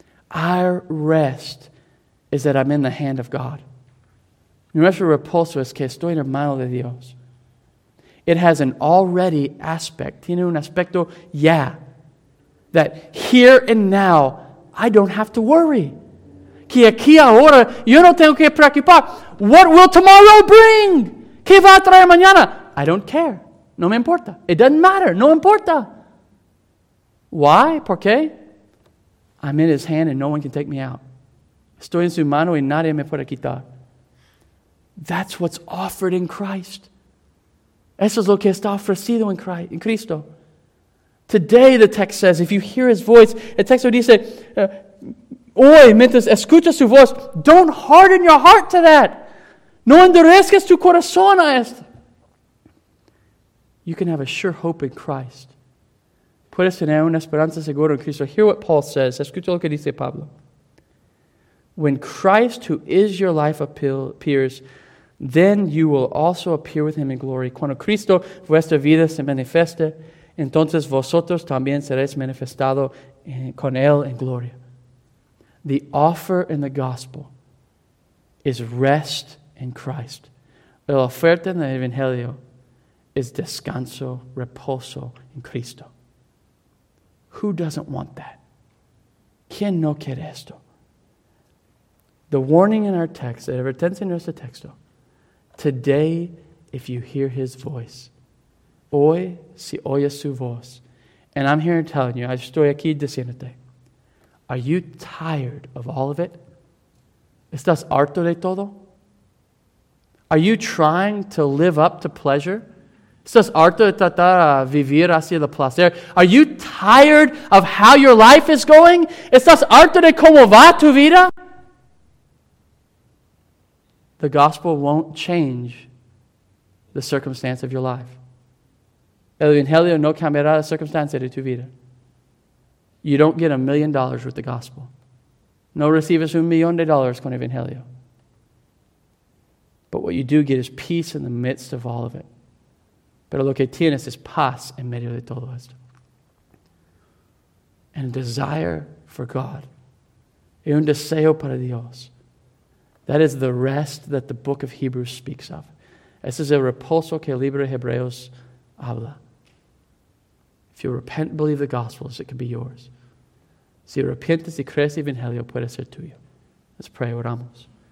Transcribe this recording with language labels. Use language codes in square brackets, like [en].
[en] Our rest is that I'm in the hand of God. [es] Nuestro reposo es que estoy en la mano de Dios. [en] It has an already aspect. [es] Tiene un aspecto ya. [en] That here and now, I don't have to worry. [es] Que aquí ahora, yo no tengo que preocupar. What will tomorrow bring? ¿Qué va a traer mañana? [en] I don't care. [es] No me importa. [en] It doesn't matter. [es] No importa. [en] Why? [es] ¿Por qué? [en] I'm in His hand and no one can take me out. [es] Estoy en su mano y nadie me puede quitar. [en] That's what's offered in Christ. [es] Eso es lo que está ofrecido en Christ, en Cristo. [en] Today the text says, if you hear His voice, [es] el texto dice, hoy, mientras escuchas su voz, [en] don't harden your heart to that. [es] No endurezcas tu corazón a esto. [en] You can have a sure hope in Christ. [es] Puedes tener una esperanza segura en Cristo. [en] Hear what Paul says. [es] Escucha lo que dice Pablo. [en] When Christ, who is your life, appears, then you will also appear with him in glory. [es] Cuando Cristo, vuestra vida, se manifieste, entonces vosotros también seréis manifestados con él en gloria. [en] The offer in the gospel is rest in Christ. [es] La oferta en el Evangelio es descanso, reposo en Cristo. [en] Who doesn't want that? [es] ¿Quién no quiere esto? [en] The warning in our text, [es] la advertencia en nuestro texto, [en] today, if you hear his voice, [es] hoy, si oyes su voz, [en] and I'm here telling you, I [es] estoy aquí diciéndote, [en] are you tired of all of it? [es] ¿Estás harto de todo? [en] Are you trying to live up to pleasure? [es] ¿Estás harto de tratar de vivir hacia el placer? [en] Are you tired of how your life is going? [es] ¿Estás harto de cómo va tu vida? [en] The gospel won't change the circumstance of your life. [es] El Evangelio no cambiará la circunstancia de tu vida. [en] You don't get $1,000,000 with the gospel. [es] No recibes $1,000,000 con el Evangelio. [en] But what you do get is peace in the midst of all of it. [es] Pero lo que tienes es paz en medio de todo esto. [en] And a desire for God. [es] Y un deseo para Dios. [en] That is the rest that the book of Hebrews speaks of. [es] Ese es el reposo que el libro de Hebreos habla. [en] If you repent and believe the gospels, it can be yours. [es] Si arrepientes y crees el Evangelio, puede ser tuyo. [en] Let's pray, [es] oramos.